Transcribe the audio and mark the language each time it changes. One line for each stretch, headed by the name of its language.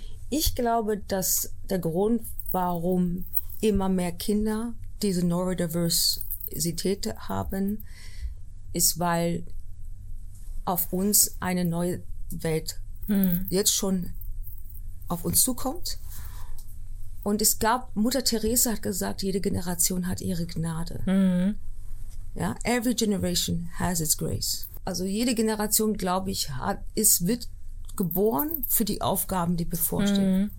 German: Ich glaube, dass der Grund, warum immer mehr Kinder diese Neurodiversität haben, ist, weil auf uns eine neue Welt jetzt schon auf uns zukommt. Und es gab, Mutter Teresa hat gesagt, jede Generation hat ihre Gnade. Mhm.
English: Ja, every generation has its grace.
German: Also jede Generation, glaube ich, wird geboren für die Aufgaben, die bevorstehen. Mhm.